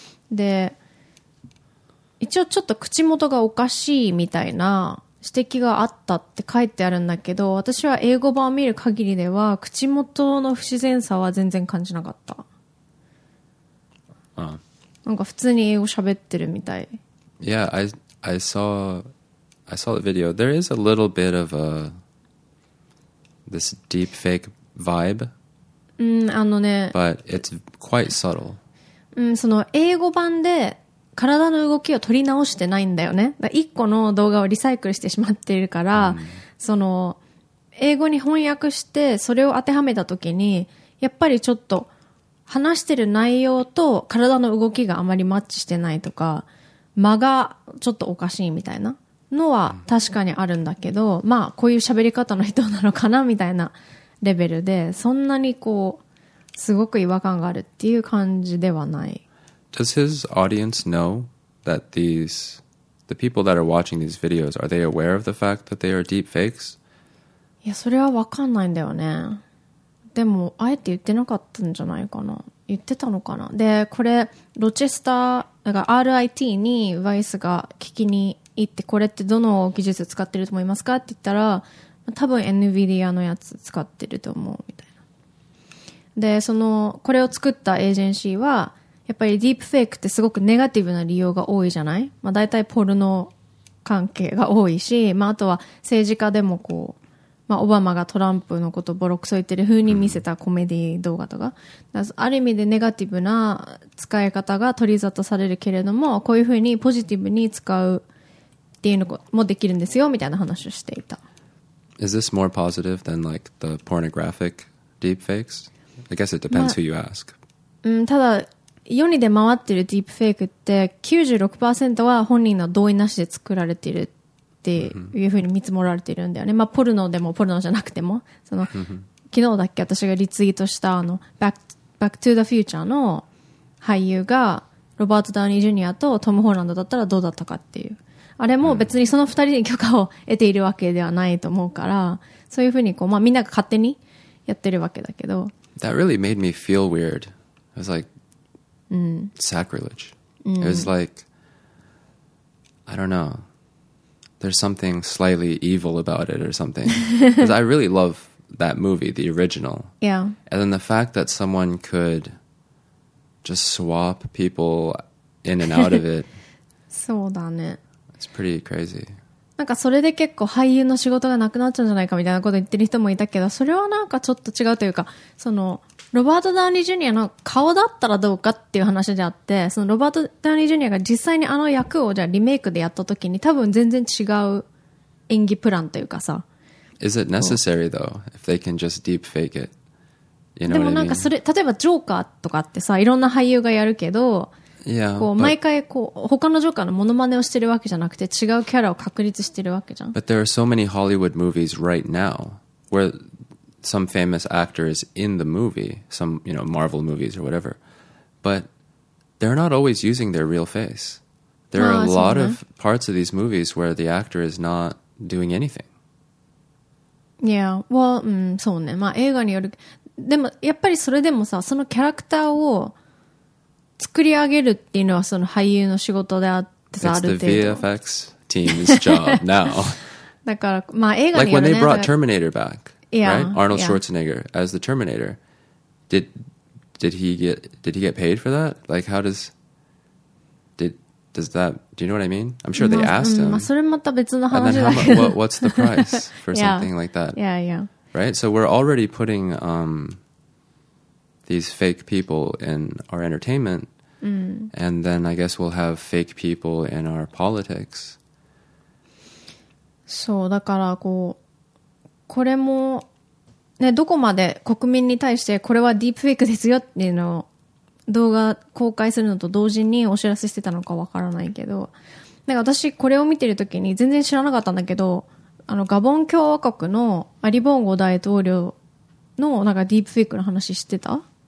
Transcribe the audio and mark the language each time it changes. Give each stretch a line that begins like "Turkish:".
Japanese: で、一応ちょっと口元がおかしいみたいな指摘があったって書いてあるんだけど、私は英語版を見る限りでは口元の不自然さは全然感じなかった。なんか普通に英語喋ってるみたい。
English: Yeah, I saw the video. There is a little bit of a this deep fake vibe. But it's quite subtle.
Japanese: その英語版で体の動きを取り直してないんだよね。だ、一個の動画をリサイクルしてしまっているから、その英語に翻訳してそれを当てはめた時に、やっぱりちょっと話してる内容と体の動きがあまりマッチしてないとか、間がちょっとおかしいみたいなのは確かにあるんだけど、まあこういう喋り方の人なのかなみたいなレベルで、そんなにこうすごく違和感があるっていう感じではない。
English: Does his audience know that these, the people that are watching these videos, are they aware of the fact that they are deep fakes?
Japanese: いや、それは分かんないんだよね。でも、あえて言ってなかったんじゃないかな。言ってたのかな。で、これ、ロチェスター、だから RIT にヴァイスが聞きに行って、これってどの技術使ってると思いますかって言ったら、多分 NVIDIA のやつ使ってると思うみたいな。で、その、これを作ったエージェンシーは、やっぱりディープフェイクってすごくネガティブな利用が多いじゃない? まあ大体ポルノ関係が多いし、まああとは政治家でもこう、まあオバマがトランプのことボロクソ言ってる風に見せたコメディ動画とか、だからある意味でネガティブな使い方が取り沙汰されるけれども、こういう風にポジティブに使うっていうのもできるんですよみたいな話をしていた。
English: Is this more positive than like the pornographic deep fakes? I guess it depends who you ask.
Japanese: ただ、世に出回ってるディープフェイクって 96% は本人の同意なしで作られているっていうふうに見積もられているんだよね。まあポルノでもポルノじゃなくても、その昨日だっけ、私がリツイートしたバックトゥザフューチャーの俳優がロバート・ダウニー・ジュニアとトム・ホーランドだったらどうだったかっていう、あれも別にその二人に許可を得ているわけではないと思うから、そういうふうにこう、まあみんなが勝手にやってるわけだけど。
English: That really made me feel weird. I was like, sacrilege. It was like, I don't know. There's something slightly evil about it or something. Because I really love that movie, the original. Yeah. And then the fact that someone could just swap people in and out of it.
Japanese: そうだね。
English: It's pretty crazy.
Japanese: なんかそれで結構俳優の仕事がなくなっちゃうんじゃないかみたいなこと言ってる人もいたけど、それはなんかちょっと違うというか、そのロバート・ダウニー・ジュニアの顔だったらどうかっていう話であって、そのロバート・ダウニー・ジュニアが実際にあの役をじゃあリメイクでやった時に多分全然違う演技プランというかさ。
English: Is it necessary though if they can just deep fake it? You know
Japanese: でもなんかそれ例えばジョーカーとかってさ、いろんな俳優がやるけど、
English: Yeah,
Japanese: こう毎回こう他のジョーカーのモノマネをしてるわけじゃなくて違うキャラを確立してるわけじゃん。
English: But there are so many Hollywood movies right now where some famous actor is in the movie, some you know Marvel movies or whatever, but they're not always using their real face. There are a lot of parts of these movies where the actor is not doing anything. Yeah, well,
Japanese: そうね。まあ映画による。でもやっぱりそれでもさ、そのキャラクターを作り上げるっていうのはその俳優の仕事であってさ、ある程度。
English: It's the VFX team's job now.
Japanese: だから、まあ映画によるね。
English: Like when they brought Terminator back, yeah, right? Arnold Schwarzenegger yeah. as the Terminator. Did he get paid for that? Like how does that, do you know what I mean? I'm sure they asked him.
Japanese: まあそれまた別の話だけど。
English: And then what's the price for something yeah. like that? Yeah, yeah. Right? So we're already putting... these fake people in our entertainment and then I guess we'll have fake people in our politics.
Japanese: そうだからこうこれもねどこまで国民に対してこれはディープフェイクですよっていうのを動画公開するのと同時にお知らせしてたのかわからないけど、なんか私これを見てる時に全然知らなかったんだけど、あのガボン共和国のアリボンゴ大統領のなんかディープフェイクの話知ってた？